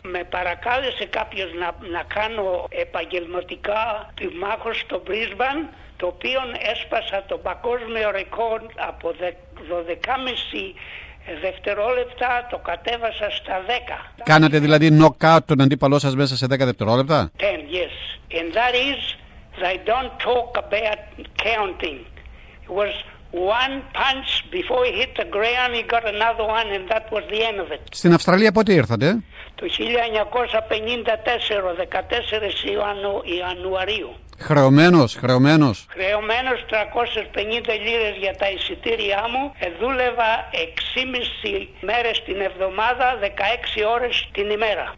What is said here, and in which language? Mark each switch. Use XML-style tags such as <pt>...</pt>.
<el>Με παρακάλεσε κάποιος να κάνω επαγγελματικά πυγμάχος στο Μπρίσμπαν, το οποίο έσπασα το παγκόσμιο ρεκόρ από 12,5 δευτερόλεπτα, το κατέβασα στα 10. Κάνατε δηλαδή knock-out τον αντίπαλό σας μέσα σε 10 δευτερόλεπτα?</el> <en>10, yes. And that is, they don't talk about counting. It was one punch before he hit the ground, he got another one and that was the end of it.</en> <el>Στην Αυστραλία πότε ήρθατε? Το 1954, 14 Ιανουαρίου. Χρεωμένος. Χρεωμένος 350 λίρες για τα εισιτήριά μου. Δούλευα 6,5 μέρες την εβδομάδα, 16 ώρες την ημέρα.</el>